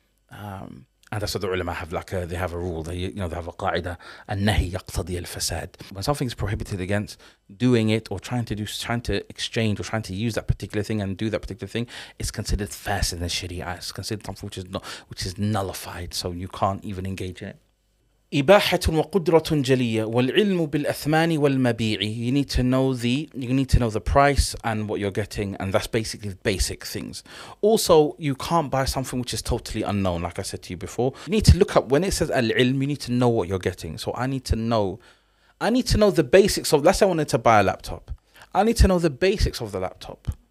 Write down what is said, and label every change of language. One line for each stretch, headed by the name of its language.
English: And that's what the ulama have, like a, they have a rule, they, you know, they have a qa'idah,
Arabic: an-nahi yaqtadi al-fasad.
English: When something is prohibited against doing it or trying to exchange or trying to use that particular thing and do that particular thing, it's considered fas in the Sharia. It's considered something which is not, which is nullified, so you can't even engage in it.
Arabic: إباحة وقدرة جلية والعلم بالأثمان والمبيع.
English: You need to know the price and what you're getting, and that's basically the basic things. Also, you can't buy something which is totally unknown. Like I said to you before, you need to look up when it says العلم. You need to know what you're getting. So I need to know the basics of. Let's say I wanted to buy a laptop. I need to know the basics of the laptop.